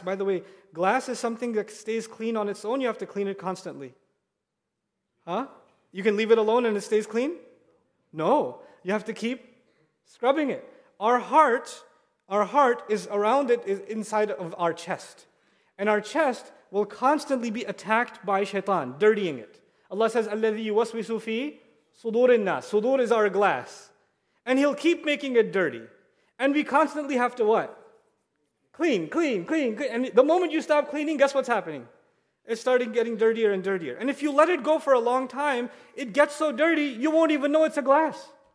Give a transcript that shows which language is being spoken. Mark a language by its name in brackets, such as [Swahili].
[English] By the way, glass is something that stays clean on its own. You have to clean it constantly. Huh? You can leave it alone and it stays clean? No. You have to keep scrubbing it. Our heart is around it, is inside of our chest. And our chest will constantly be attacked by shaitan, dirtying it. Allah says, [Arabic] الَّذِي يُوَسْوِسُ فِي صُدُورِ النَّاسِ. [English] Sudur is our glass. And he'll keep making it dirty. And we constantly have to what? Clean, clean, clean, clean. And the moment you stop cleaning, guess what's happening? It's starting getting dirtier and dirtier. And if you let it go for a long time, it gets so dirty, you won't even know it's a glass.